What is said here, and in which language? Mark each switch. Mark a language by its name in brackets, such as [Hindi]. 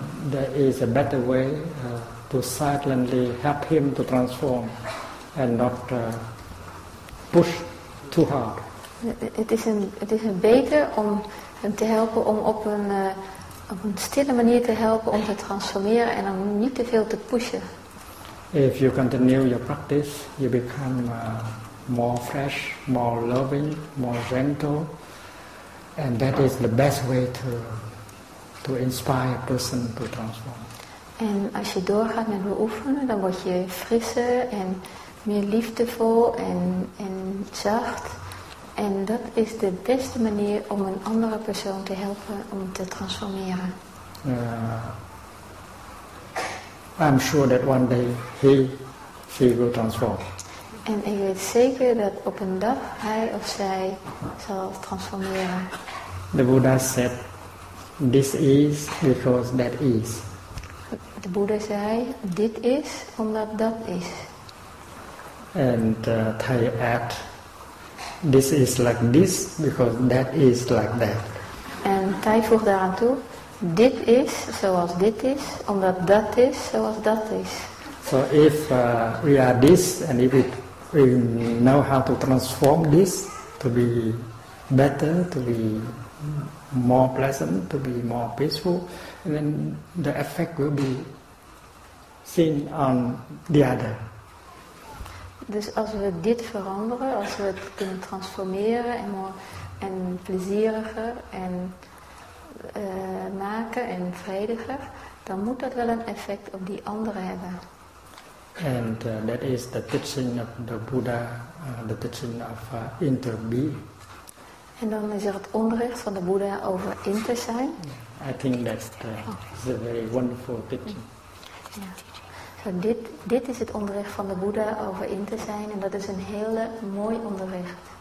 [English] There is a better way to silently help him to transform and not push too hard. [Dutch] Het is beter om hem te helpen om op een stille manier te helpen om te transformeren en om niet te veel te pushen. [English] If you continue your practice, you become more fresh, more loving, more gentle, and that is the best way to inspire a person to transform. [Dutch] En als je doorgaat met oefenen, dan word je frisser en meer liefdevol en zacht. En dat is de beste manier om een andere persoon te helpen om te transformeren. [English] I'm sure that one day she will transform. [Dutch] En ik weet zeker dat op een dag hij of zij zal transformeren. [English] The Buddha said, this is because that is. [Dutch] De Boeddha zei, dit is omdat dat is. [English] And Thay add, this is like this because that is like that. [Dutch] En Thay voeg daaraan toe, dit is zoals dit is, omdat dat is zoals dat is. [English] So if we are this and if we know how to transform this to be better, to be more pleasant, to be more peaceful, then the effect will be seen on the other. [Dutch] Dus als we dit veranderen, als we het kunnen transformeren en plezieriger en maken en vrediger, dan moet dat wel een effect op die andere hebben. [English] And that is the teaching of the Buddha, the teaching of interbeing. [Dutch] En dan is er het onderricht van de Boeddha over inter zijn. [English] I think that's is a very wonderful teaching. Yeah. [Dutch] So dit is het onderricht van de Boeddha over inter zijn en dat is een hele mooi onderricht.